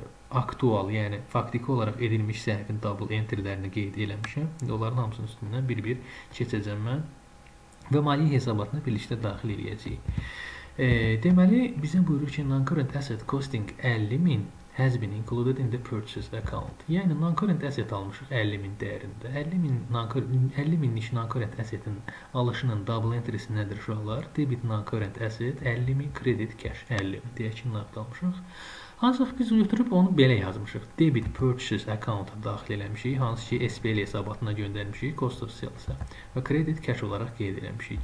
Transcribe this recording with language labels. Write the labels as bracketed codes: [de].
[az] Aktual, yəni faktiki olaraq edilmiş səhvin double entry-lərini qeyd eləmişəm. Onların hamısının üstündən bir-bir keçəcəm mən. Və maliyyə hesabatını birlikdə daxil edəcəyik. Deməli, bizə buyurur ki, [en] non-current asset costing 50.000 has been included in the purchase account. [az] Yəni, non-current asset almışıq 50.000 dəyərində. 50.000-lik non-current assetin alışının double entry-si nədir uşaqlar? [en] Debit non-current asset 50.000, credit cash 50.000 [az] deyək ki, nəqd almışıq. Ancaq biz götürüb onu belə yazmışıq. Debit purchase account-a daxil eləmişik, hansı ki, SPL hesabatına göndərmişik, cost of sales-a və credit cash olaraq qeyd eləmişik.